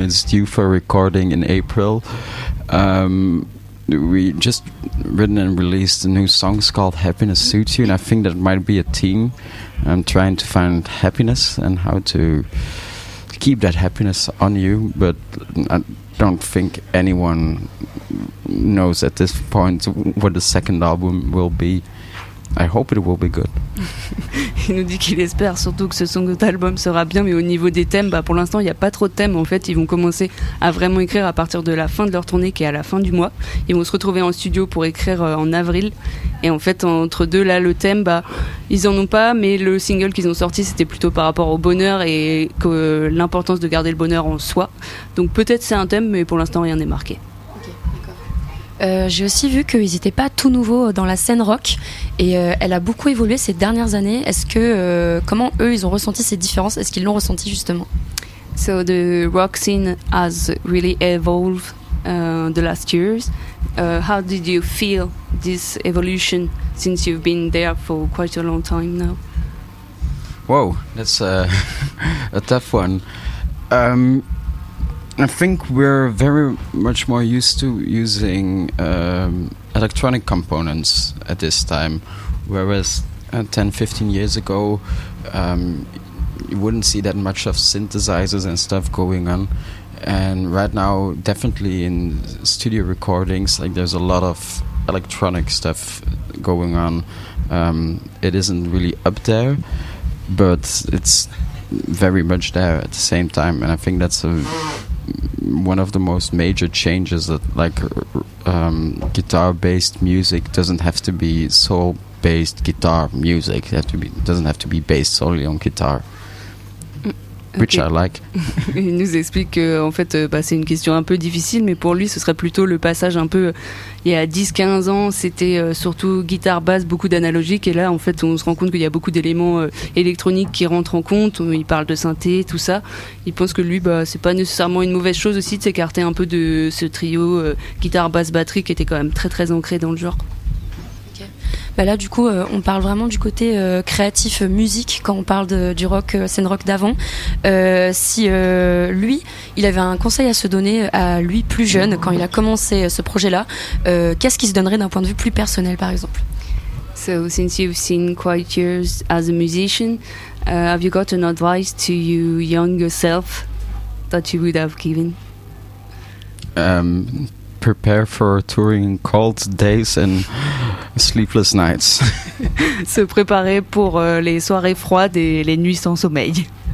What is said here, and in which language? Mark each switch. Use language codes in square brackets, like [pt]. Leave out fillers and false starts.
[en] It's due for recording in April. We just written and released a new song called Happiness Suits You, and I think that might be a theme. I'm trying to find happiness and how to keep that happiness on you, but I don't think anyone knows at this point what the second album will be. I hope it will be good. [fr] Il nous dit qu'il espère surtout que ce second album sera bien, mais au niveau des thèmes, bah pour l'instant il n'y a pas trop de thèmes. En fait ils vont commencer à vraiment écrire à partir de la fin de leur tournée, qui est à la fin du mois. Ils vont se retrouver en studio pour écrire en avril, et en fait entre deux là le thème, bah ils en ont pas, mais le single qu'ils ont sorti c'était plutôt par rapport au bonheur et que l'importance de garder le bonheur en soi, donc peut-être c'est un thème, mais pour l'instant rien n'est marqué. J'ai aussi vu qu'ils n'étaient pas tout nouveaux dans la scène rock, et elle a beaucoup évolué ces dernières années. Est-ce que comment eux ils ont ressenti ces différences? Est-ce qu'ils l'ont ressenti justement? [en] So the rock scene has really evolved the last years. How did you feel this evolution since you've been there for quite a long time now? Wow, that's a tough one. I think we're very much more used to using electronic components at this time, whereas 10, 15 years ago, you wouldn't see that much of synthesizers and stuff going on. And right now, definitely in studio recordings, like there's a lot of electronic stuff going on. It isn't really up there, but it's very much there at the same time. And I think that's one of the most major changes, that like guitar-based music doesn't have to be soul-based guitar music. It doesn't have to be based solely on guitar. Which okay. I like. [fr] Il nous explique qu'en fait, c'est une question un peu difficile, mais pour lui, ce serait plutôt le passage un peu... Il y a 10-15 ans, c'était surtout guitare, basse, beaucoup d'analogique, et là, en fait, on se rend compte qu'il y a beaucoup d'éléments électroniques qui rentrent en compte. Il parle de synthé, tout ça. Il pense que lui, c'est pas nécessairement une mauvaise chose aussi de s'écarter un peu de ce trio guitare, basse, batterie, qui était quand même très très ancré dans le genre. Là, du coup, on parle vraiment du côté créatif musique quand on parle du rock, scène rock d'avant. Si lui, il avait un conseil à se donner à lui plus jeune, quand il a commencé ce projet-là, qu'est-ce qu'il se donnerait d'un point de vue plus personnel, par exemple? [en] So, since you've seen quite years as a musician, have you got an advice to you younger self that you would have given? Prepare for touring cold days and sleepless nights. [fr] Se préparer pour les soirées froides et les nuits sans sommeil.